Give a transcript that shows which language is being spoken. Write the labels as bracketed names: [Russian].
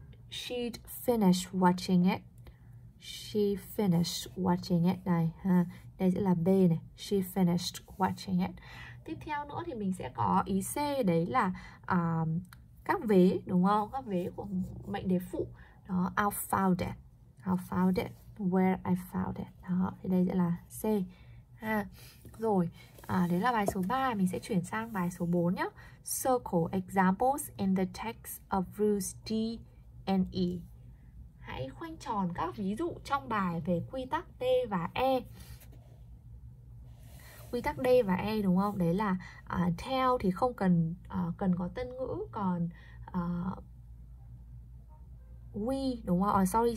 [English] She'd finished watching it. She finished watching it [Vietnamese] này ha. Đây sẽ là B này, [English] she finished watching it. [Vietnamese] Tiếp theo nữa thì mình sẽ có ý C, đấy là các vế đúng không? Các vế của mệnh đề phụ. Đó, [English] I found it, where I found it. [Vietnamese] Đó, thì đây sẽ là C ha. Rồi, đấy là bài số 3. Mình sẽ chuyển sang bài số 4 nhé. [English] Circle examples in the text of rules D and E. [Vietnamese] Hãy khoanh tròn các ví dụ trong bài về quy tắc D và E. Quy tắc D và E đúng không? Đấy là tell thì không cần cần có tân ngữ. Còn we đúng không?